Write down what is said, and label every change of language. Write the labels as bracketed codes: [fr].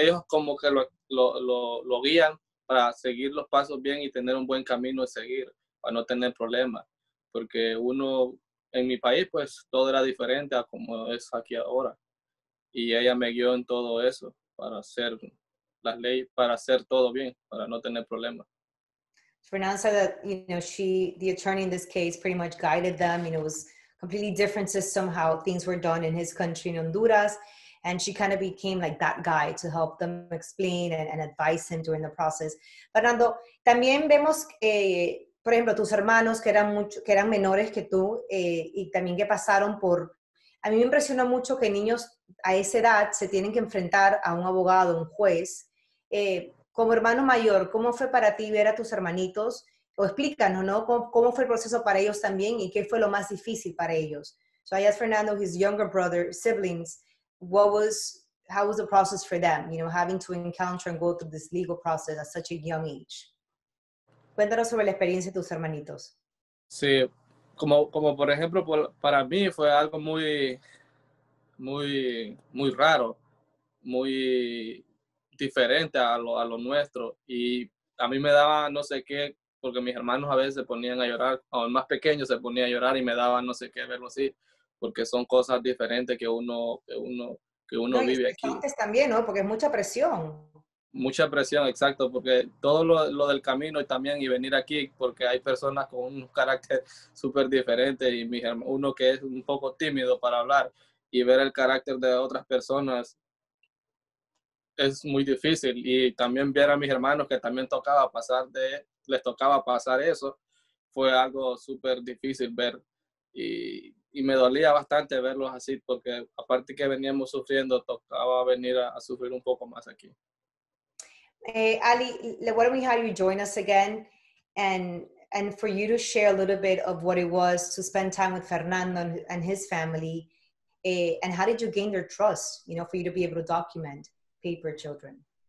[es] Ellos como que lo guían para seguir los pasos bien y tener un buen camino de seguir, para no tener problemas, porque uno en mi país, pues, todo era diferente a como es aquí ahora. Y ella me guió en todo eso para hacer las leyes, para hacer todo bien, para no tener problemas. [en] Fernanda said that, you know, she, the attorney in this case, pretty much guided them. You know, it was completely different system how things were done in his country, in Honduras. And she kind of became like that guy to help them explain and advise him during the process. [es] Fernando, también vemos, por ejemplo, tus hermanos que eran menores que tú y también que pasaron por... A mí me impresiona mucho que niños a esa edad se tienen que enfrentar a un abogado, un juez. Como hermano mayor, ¿cómo fue para ti ver a tus hermanitos? O explícanos, ¿no? ¿Cómo fue el proceso para ellos también y qué fue lo más difícil para ellos? [en] So I asked Fernando, his younger brother, siblings, how was the process for them, you know, having to encounter and go through this legal process at such a young age? [es] Cuéntanos sobre la experiencia de tus hermanitos. Sí, como por ejemplo, para mí fue algo muy... muy, muy raro, muy diferente a lo nuestro. Y a mí me daba no sé qué, porque mis hermanos a veces se ponían a llorar, o el más pequeño se ponía a llorar y me daba no sé qué verlo así, porque son cosas diferentes que uno no, vive aquí. También, ¿no? Porque es mucha presión. Mucha presión, exacto, porque todo lo del camino y también y venir aquí, porque hay personas con un carácter súper diferente y mis hermanos, uno que es un poco tímido para hablar, y ver el carácter de otras personas es muy difícil. Y también ver a mis hermanos que también les tocaba pasar eso, fue algo súper difícil ver. Y me dolía bastante verlos así, porque aparte que veníamos sufriendo, tocaba venir a sufrir un poco más aquí. [en] Ali, why don't we have you join us again and for you to share a little bit of what it was to spend time with Fernando and his family. And how did you gain their trust, you know, for you to be able to document paper children?